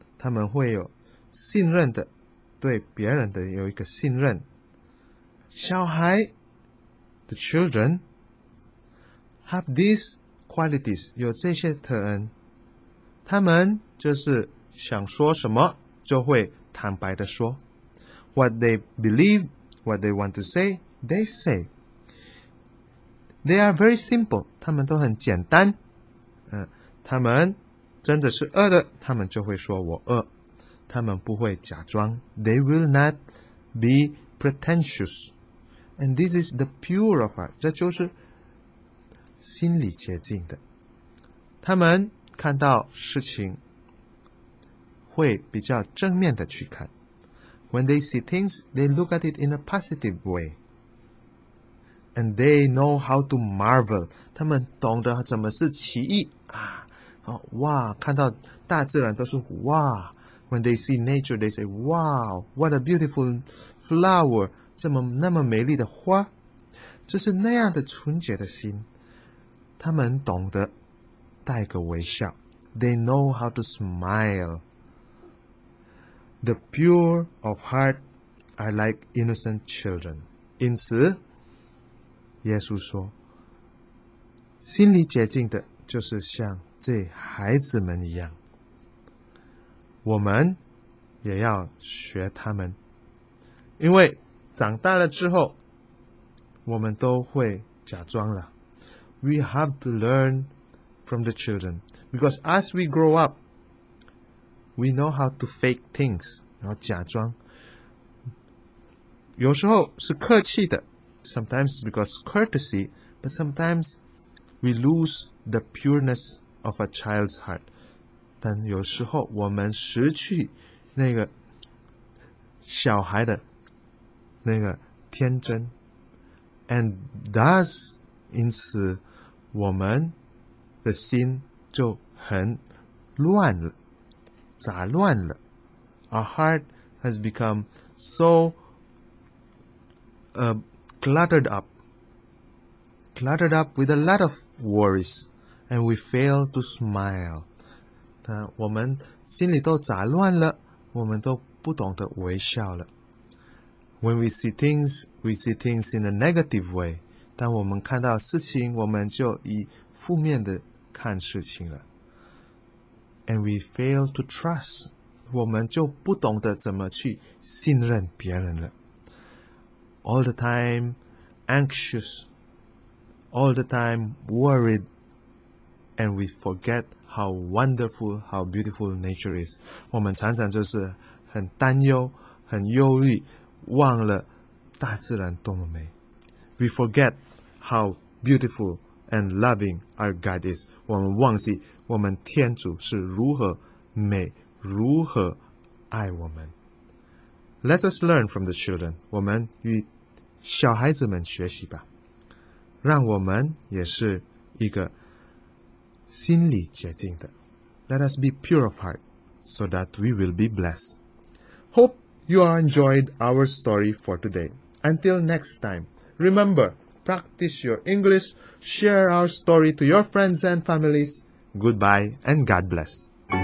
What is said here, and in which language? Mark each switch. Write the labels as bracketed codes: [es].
[zh] 他们会有信任的，对别人的有一个信任。 [en] 小孩 the children have these qualities, [zh] 有这些特恩。他们就是想说什么就会坦白的说。 [en] What they believe, what they want to say, they say. They are very simple, [zh] 他们都很简单。他们真的是饿的他们就会说我饿。他们不会假装。 [en] They will not be pretentious. And this is the pure of heart, [zh] 这就是心里洁净的。他们看到事情会比较正面的去看。 [en] When they see things, they look at it in a positive way. And they know how to marvel. [zh] 他们懂得怎么是奇异啊、哦！哇，看到大自然都是哇。 [en] When they see nature, they say, wow, what a beautiful flower. [zh] 这么那么美丽的花。就是那样的纯洁的心。他们懂得带个微笑。 [en] They know how to smile. The pure of heart are like innocent children. [zh] 因此耶稣说心里洁净的就是像这孩子们一样。我们也要学他们。因为长大了之后我们都会假装了。 [en] We have to learn from the children. Because as we grow up, we know how to fake things, [zh] 然后假装。有时候是客气的， [en] sometimes because courtesy, but sometimes we lose the pureness of a child's heart. [zh] 但有时候我们失去那个小孩的那个天真。 [en] And thus, [zh] 因此我们的心就很乱了，杂乱了。 [en] Our heart has become so cluttered up with a lot of worries, and we fail to smile. [zh] 我们心里都杂乱了，我们都不懂得微笑了。 [en] When we see things in a negative way. [zh] 当我们看到事情我们就以负面的看事情了。 [en] And we fail to trust. [zh] 我们就不懂得怎么去信任别人了。 [en] All the time anxious. All the time worried. And we forget how wonderful, how beautiful nature is. [zh] 我们常常就是很担忧很忧虑忘了大自然多么美。 [en] We forget how beautiful and loving our God is. [zh] 我们忘记我们天主是如何美，如何爱我们。 [en] Let us learn from the children. [zh] 我们与小孩子们学习吧。让我们也是一个心里洁净的。 [en] Let us be pure of heart so that we will be blessed. Hope you are enjoyed our story for today. Until next time, remember, practice your English, share our story to your friends and families. Goodbye and God bless.